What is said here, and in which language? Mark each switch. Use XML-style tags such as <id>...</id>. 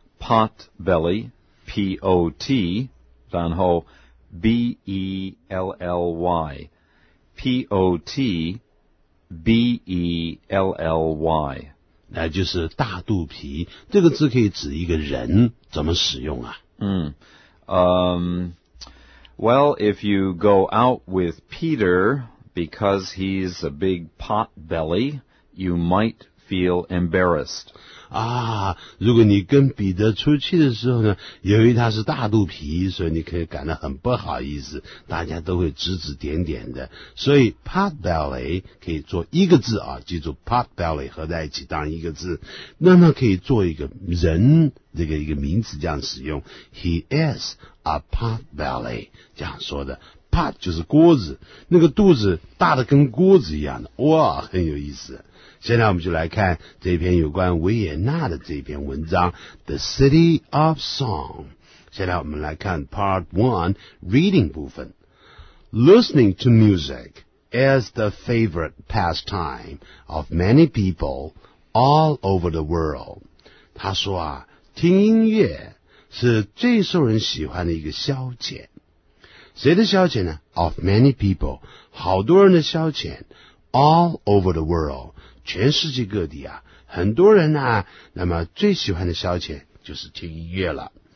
<en>?pot belly, P-O-T,</en> <zh>然后</zh> <en>B-E-L-L-Y, P-O-T,B-E-L-L-Y</en> <zh>那就是大肚皮这个字可以指一个人怎么使用啊</zh> <en>Well, if you go out with Peter because he's a big pot belly you might feel embarrassed</en> <zh>啊如果你跟彼得出去的时候呢由于他是大肚皮所以你可以感到很不好意思大家都会指指点点的所以 pot belly 可以做一个字啊记住 pot belly 合在一起当一个字那么可以做一个人这个一个名词这样使用</zh> <en>he is a pot belly</en> <zh>这样说的 pot 就是锅子那个肚子大的跟锅子一样的哇很有意思现在我们就来看这篇有关维也纳的这篇文章 The City of Song 现在我们来看 Part 1 Reading 部分。</zh> <en>Listening to music is the favorite pastime of many people all over the world.</en> <zh>他说啊，听音乐是最受人喜欢的一个消遣。谁的消遣呢？</zh> <en>Of many people,</en> <zh>好多人的消遣。</zh> <en>All over the world,</en> <zh>全世界各地啊，很多人啊，那么最喜欢的消遣就是听音乐了。</zh>